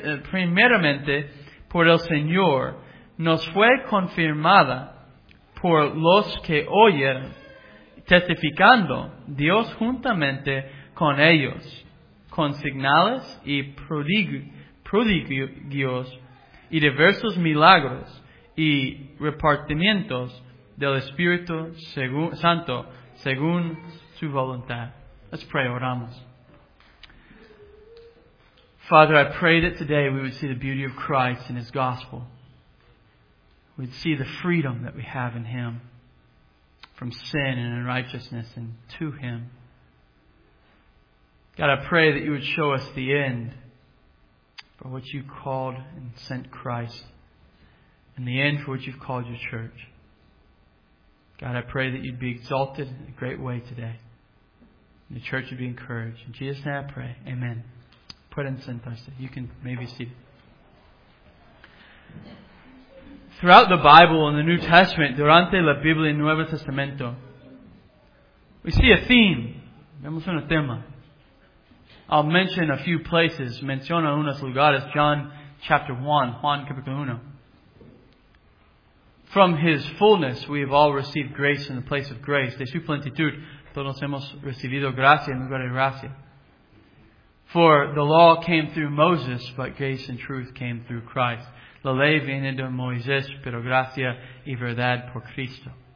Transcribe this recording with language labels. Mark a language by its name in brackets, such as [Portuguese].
[Spanish] primeramente por el Señor, nos fue confirmada por los que oyeron, testificando Dios juntamente con ellos, con señales y prodigios y diversos milagros y repartimientos del Espíritu Santo según su voluntad? [English] Let's pray, [Spanish] oramos. [English] Father, I pray that today we would see the beauty of Christ in His gospel. We'd see the freedom that we have in Him from sin and unrighteousness and to Him. God, I pray that You would show us the end for which You called and sent Christ, and the end for which You've called Your church. God, I pray that You'd be exalted in a great way today, and the church would be encouraged. In Jesus' name I pray. Amen. Put in sentence. You can maybe see. Throughout the Bible and the New Testament, [Spanish] durante la Biblia y Nuevo Testamento, [English] we see a theme. [Spanish] Vemos un tema. [English] I'll mention a few places. [Spanish] Menciona unos lugares. [English] John chapter 1. [Spanish] Juan capítulo 1. [English] From His fullness, we have all received grace in the place of grace. [Spanish] De su plenitud, todos hemos recibido gracia en lugar de gracia. [English] For the law came through Moses, but grace and truth came through Christ. [Spanish] La ley viene de Moisés, pero gracia y verdad por Cristo.